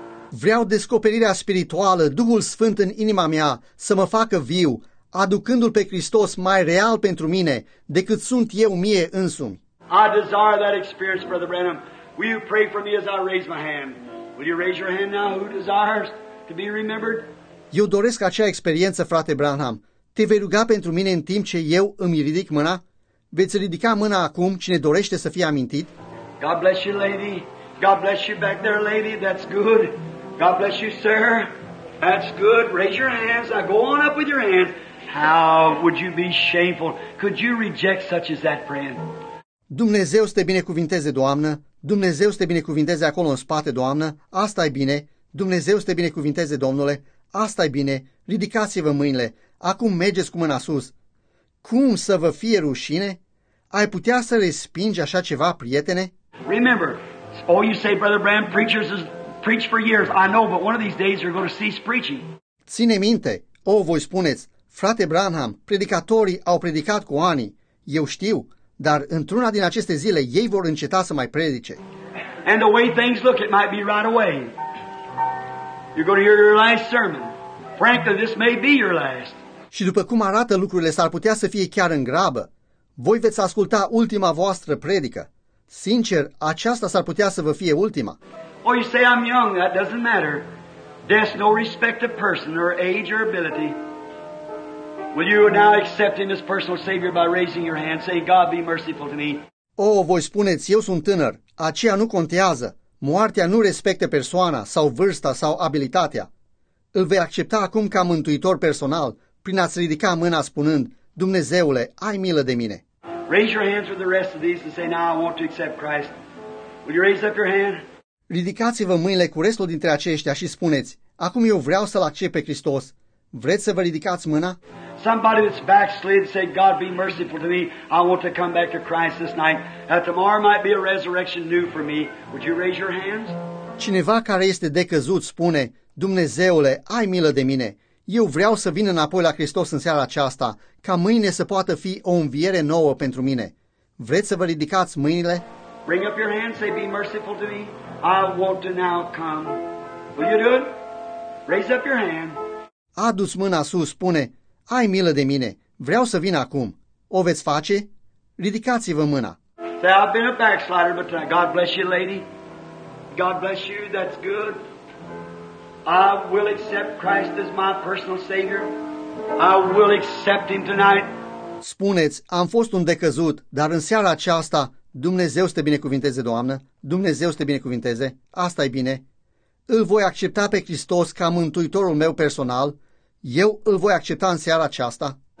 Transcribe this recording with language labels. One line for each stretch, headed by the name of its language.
Romanian: Vreau descoperirea spirituală, Duhul Sfânt în inima mea, să mă facă viu, aducându-L pe Hristos mai real pentru mine decât sunt eu mie însumi.
English: I desire that experience, Brother Branham. Will you pray for me as I raise my hand? Will you raise your hand now? Who desires to be remembered?
Romanian: Eu doresc acea experiență, frate Branham. Te vei ruga pentru mine în timp ce eu îmi ridic mâna? Veți ridica mâna acum cine dorește să fie amintit?
English: God bless you, lady. God bless you back there, lady. That's good. God bless you, sir. That's good. Raise your hands. Now go on up with your hand. How would you be shameful? Could you reject such as that, friend?
Romanian: Dumnezeu să te binecuvinteze, Doamnă. Dumnezeu să te binecuvinteze acolo în spate, Doamnă. Asta e bine. Dumnezeu să te binecuvinteze, Domnule. Asta e bine. Ridicați-vă mâinile. Acum mergeți cu mâna sus. Cum să vă fie rușine? Ai putea să respingi așa ceva, prietene?
English: Remember, all you say, Brother Branham, preachers has preached for years. I know, but one of these days you're going to cease preaching.
Romanian: Ține minte, voi spuneți, frate Branham, predicatorii au predicat cu ani. Eu știu, dar într-una din aceste zile ei vor înceta să mai predice.
English: And the way things look, it might be right away. You're going to hear your last sermon. Frankly, this may be your last.
Romanian: Și după cum arată lucrurile, s-ar putea să fie chiar în grabă. Voi veți asculta ultima voastră predică. Sincer, aceasta s-ar putea să vă fie ultima.
English: Oh, you say I'm young, that doesn't matter. There's no respect of person or age or ability. Will you now accept him as personal savior by raising your hand, saying, God be merciful to me?
Romanian: Voi spuneți, eu sunt tânăr, aceea nu contează. Moartea nu respectă persoana sau vârsta sau abilitatea. Îl vei accepta acum ca mântuitor personal prin a-ți ridica mâna spunând, Dumnezeule, ai milă de mine.
English: Raise your hands with the rest of these and say, now I want to accept Christ. Will you raise up your hand?
Romanian: Ridicați-vă mâinile cu restul dintre aceștia și spuneți, acum eu vreau să-L accept pe Hristos. Vreți să vă ridicați mâna?
English: Somebody that's backslid said, God be merciful to me. I want to come back to Christ this night. That tomorrow might be a resurrection new for me. Would you raise your hands?
Romanian: Cineva care este decăzut spune, Dumnezeule, ai milă de mine. Eu vreau să vin înapoi la Hristos în seara aceasta, ca mâine să poată fi o înviere nouă pentru mine. Vreți să vă ridicați mâinile?
English: Bring up your hands, say, be merciful to me. I want to now come. Will you do it? Raise up your hand.
Romanian: Adu-s mâna sus, spune, ai milă de mine, vreau să vin acum. O veți face? Ridicați-vă mâna.
English: Say, I've been a backslider, but God bless you, lady. God bless you, that's good. I will accept Christ as my personal savior. I will accept him tonight.
Romanian: Spuneți, am fost un decăzut, dar în seara aceasta, Dumnezeu să te binecuvinteze, Doamnă, Dumnezeu să te binecuvinteze, asta e bine. Îl voi accepta pe Hristos ca mântuitorul meu personal. Eu îl voi accepta în seara aceasta.